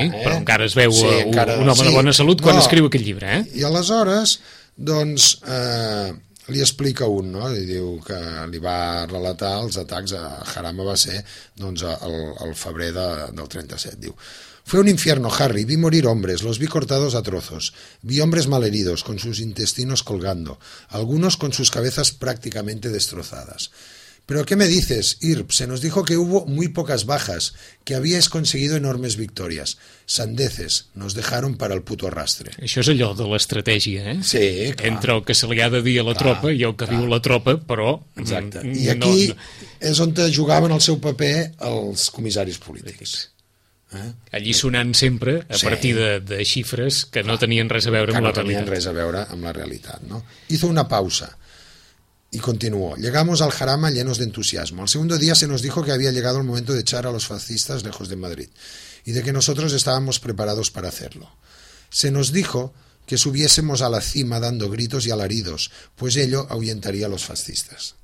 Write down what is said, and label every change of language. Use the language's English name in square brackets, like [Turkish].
[Catalan] Sí, però encara es veu un home de bona salut quan escriu aquest llibre, I aleshores, doncs, li explica un, no? I diu que li va relatar els atacs a Jarama, va ser, doncs, el febrer del 37, diu... [Spanish] Fue un infierno, Harry. Vi morir hombres, los vi cortados a trozos. Vi hombres malheridos, con sus intestinos colgando, algunos con sus cabezas prácticamente destrozadas. ¿Pero qué me dices, Irp? Se nos dijo que hubo muy pocas bajas, que habíais conseguido enormes victorias. Sandeces, nos dejaron para el puto rastre. [Catalan] Això és allò de l'estratègia, Sí, clar. Entre el que se li ha de dir a la tropa i el que diu la tropa, però... Exacte. I aquí és on jugaven el seu paper els comissaris polítics. Allí sonant sempre a partir de xifres que no tenien res a veure amb la realitat. Que no tenien res a veure amb la realitat, no? [Spanish] Hizo una pausa. Y continuó. Llegamos al Jarama llenos de entusiasmo. Al segundo día se nos dijo que había llegado el momento de echar a los fascistas lejos de Madrid y de que nosotros estábamos preparados para hacerlo. Se nos dijo que subiésemos a la cima dando gritos y alaridos, pues ello ahuyentaría a los fascistas.